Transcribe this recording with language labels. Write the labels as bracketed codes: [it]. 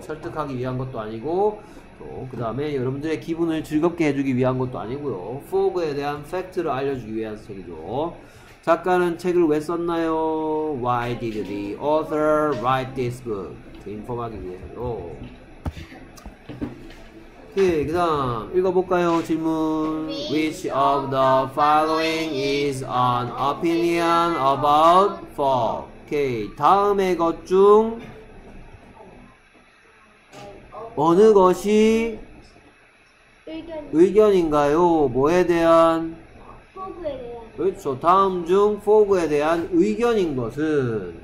[ko] 설득하기 위한 것도 아니고, 또 그 다음에 여러분들의 기분을 즐겁게 해주기 위한 것도 아니고요. fog에 대한 fact를 알려주기 위한 책이죠. 작가는 책을 왜 썼나요? [en] Why did the author write this book? [ko] 인포하기 위해서. 오케이, 그 다음 읽어볼까요? 질문. [en] Which of the following is an opinion about fog? [ko] 오케이, 다음의 것 중 어느 것이 의견인가요? 뭐에 대한? 그렇죠. 다음 중 포그에 대한 의견인 것은?